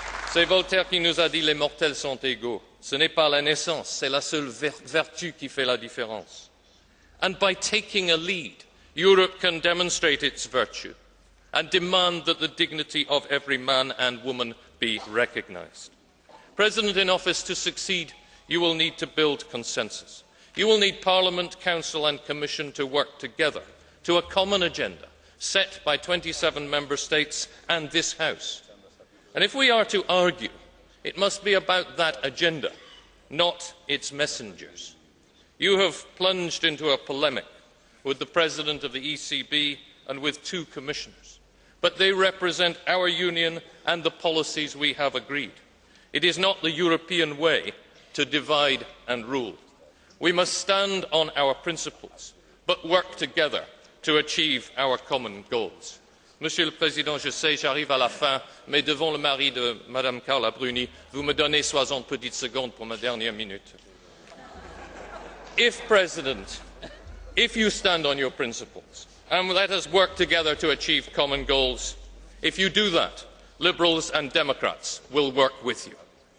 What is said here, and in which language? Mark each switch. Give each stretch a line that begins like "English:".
French: C'est Voltaire qui nous a dit les mortels sont égaux. Ce n'est pas la naissance, c'est la seule vertu qui fait la différence.
English: And by taking a lead, Europe can demonstrate its virtue and demand that the dignity of every man and woman be recognised. President in office, to succeed, you will need to build consensus. You will need Parliament, Council and Commission to work together to a common agenda set by 27 Member States and this House. And if we are to argue, it must be about that agenda, not its messengers. You have plunged into a polemic with the President of the ECB and with two commissioners, but they represent our union and the policies we have agreed. It is not the European way to divide and rule. We must stand on our principles, but work together to achieve our common goals.
French: Monsieur le Président, je sais, j'arrive à la fin, mais devant le mari de Madame Carla Bruni, vous me donnez 60 petites secondes pour ma dernière minute.
English: If, President, if you stand on your principles and let us work together to achieve common goals, if you do that, Liberals and Democrats will work with you.